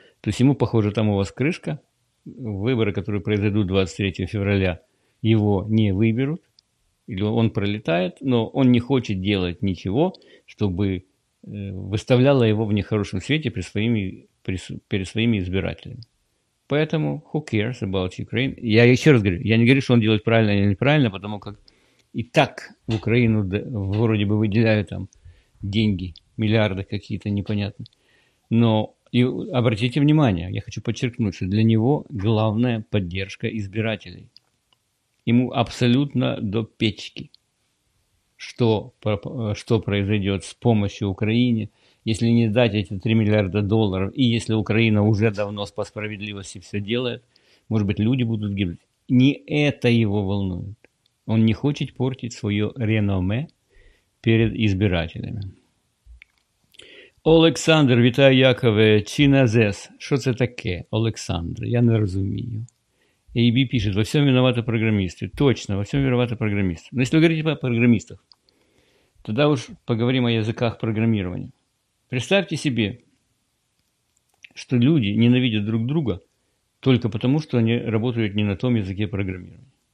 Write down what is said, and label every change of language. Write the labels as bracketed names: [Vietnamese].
[Russian] То есть ему, похоже, там у вас крышка. Выборы, которые произойдут 23 февраля, его не выберут. Или он пролетает, но он не хочет делать ничего, чтобы выставляло его в нехорошем свете перед своими избирателями. [English] Поэтому who cares about Ukraine? [Russian] Я еще раз говорю, я не говорю, что он делает правильно или неправильно, потому как и так в Украину вроде бы выделяют там деньги миллиарды какие-то непонятные. Но и обратите внимание, я хочу подчеркнуть, что для него главная поддержка избирателей. Ему абсолютно до печки, что произойдет с помощью Украине, если не дать эти 3 миллиарда долларов, и если Украина уже давно по справедливости все делает, может быть, люди будут гибнуть. Не это его волнует. Он не хочет портить свое реноме перед избирателями. [Ukrainian] Олександр, вітаю, Якове, чіназес. Що це таке, Олександр? Я не розумію. [Russian] AB пишет, во всем виноваты программисты. Точно, во всем виноваты программисты. Но если вы говорите о программистах, тогда уж поговорим о языках программирования. Представьте себе, что люди ненавидят друг друга только потому, что они работают не на том языке программирования.